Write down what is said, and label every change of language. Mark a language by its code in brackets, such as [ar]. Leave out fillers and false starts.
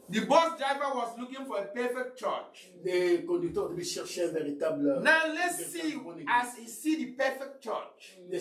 [en] The bus driver was looking for a perfect church. [fr] Conducteur devait chercher un véritable. [en] Now let's see, as he see the perfect church.